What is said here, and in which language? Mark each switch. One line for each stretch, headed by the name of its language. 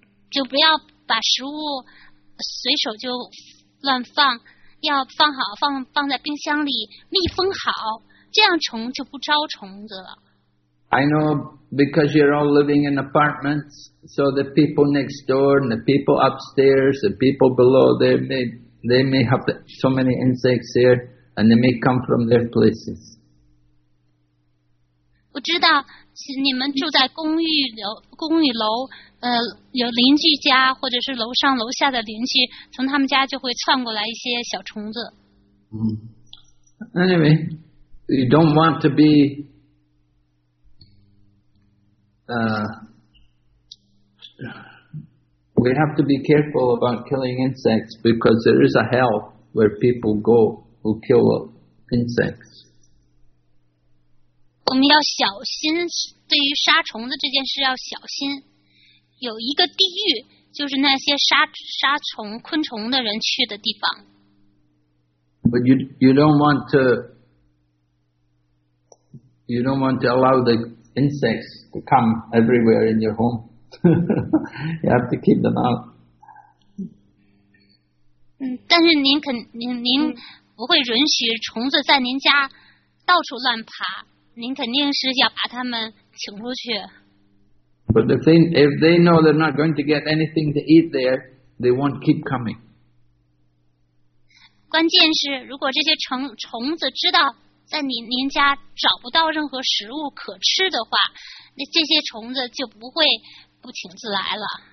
Chinese: 就不要把食物。随手就乱放，要放好，放在冰箱里密封好，这样虫就不招虫子了。
English: I know because you're all living in apartments, so the people next door and the people upstairs, the people below, they may have so many insects here, and they may come from their places.
Chinese: 我知道你们住在公寓楼。有邻居家或者是楼上楼下的邻居，从他们家就会窜过来一些小虫子。
English: Anyway, you don't want to be we have to be careful about killing insects because there is a hell where people go who kill insects.
Chinese: 我们要小心，对于杀虫子这件事要小心。有一个地狱，就是那些杀虫昆虫的人去的地方。
English: But you don't want to allow the insects to come everywhere in your home. You have to keep them out.
Chinese: 但是您不会允许虫子在您家到处乱爬，您肯定是要把它们请出去。
English: But if they know they're not going to get anything to eat there, they won't keep coming.
Chinese: 关键是，如果这些虫子知道在您家找不到任何食物可吃的话，那这些虫子就不会不请自来了。